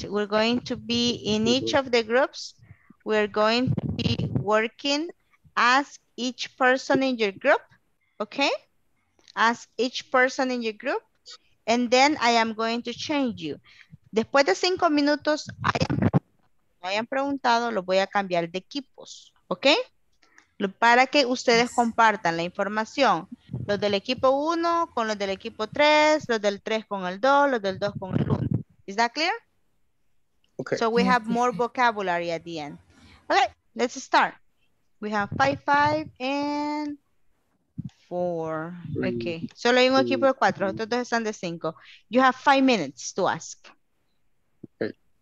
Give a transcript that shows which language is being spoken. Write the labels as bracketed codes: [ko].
[en] We're going to be in each of the groups. We're going to be working. Ask each person in your group, okay? Ask each person in your group, and then I am going to change you. [es] Después de 5 minutos, hayan preguntado, los voy a cambiar de equipos, ¿ok? Para que ustedes compartan la información. Los del equipo 1 con los del equipo 3, los del 3 con el 2, los del 2 con el 1. [en] ¿Is that clear? Okay. So we have more vocabulary at the end. Okay, let's start. We have 5, 5, and 4. four. Okay. [es] Solo hay un equipo de cuatro. Todos están de cinco. [en] You have 5 minutes to ask. Okay.